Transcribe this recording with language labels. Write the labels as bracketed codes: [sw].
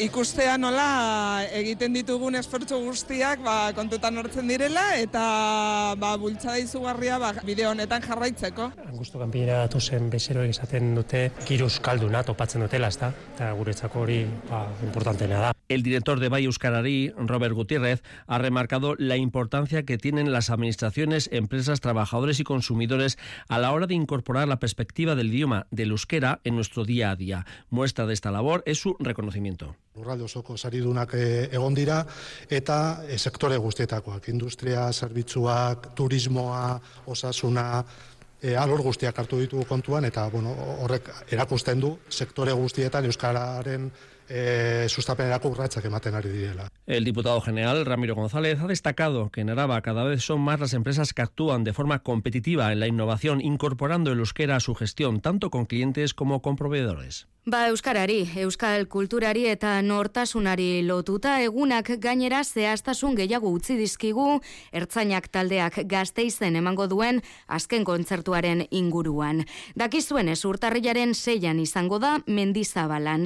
[eu] Ikustea nola egiten ditugun esfortzu guztiak ba, kontutan hartzen direla eta ba, bultzada izugarria ba, bide honetan jarraitzeko. Angustu kanpinera datu zen bezeroek esaten dute kiru euskalduna topatzen dutela, ezta? Eta guretzako hori ba, importanteena da. [es] El director de Bai Euskarari, Robert Gutiérrez, ha remarcado la importancia que tienen las administraciones, empresas, trabajadores y consumidores a la hora de incorporar la perspectiva del idioma del euskera en nuestro día a día. Muestra de esta labor es su reconocimiento. [eu] Lurralde osoko saridunak egon dira eta sektore guztietakoak, industria, zerbitzuak, turismoa, osasuna, alor guztiak hartu ditugu kontuan eta bueno, horrek erakusten du sektore guztietan euskararen sustapenerako urratsak ematen ari direla. [es] El diputado general Ramiro González ha destacado que en Araba cada vez son más las empresas que actúan de forma competitiva en la innovación incorporando el euskera a su gestión tanto con clientes como con proveedores. [eu] Ba euskarari, euskal kulturari eta nortasunari lotuta egunak gainera zehaztasun gehiago utzi dizkigu Ertzainak taldeak Gasteizen emango duen azken kontzertuaren inguruan. Dakizuenez urtarrilaren 6an izango da Mendizabalan.